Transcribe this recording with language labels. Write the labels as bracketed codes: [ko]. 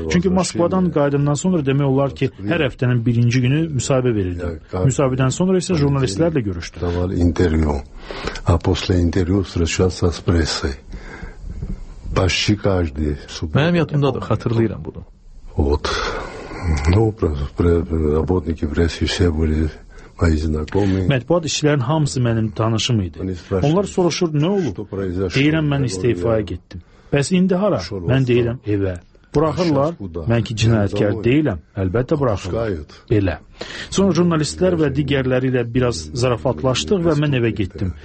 [az] Çünki Moskvadan qayıdımdan sonra demək olar ki, hər həftənin birinci günü müsahibə verirdim. Müsahibədən sonra isə jurnalistlərlə görüşdüm. Mənim yadımdadır, xatırlayıram bunu. [ru] Вот. Ну, работники прессы все были мои знакомые. [az] Mətbuat işçilərin hamısı mənim tanışım idi. Onlar soruşur, nə olub? Deyirəm, mən istifaya getdim. Bəs indi hara? Mən deyirəm, evə. Buraxırlar, mən ki, cinayətkar deyiləm, əlbəttə buraxırlar. Belə. Sonra jurnalistlər və digərləri ilə biraz zarafatlaşdıq və mən evə getdim.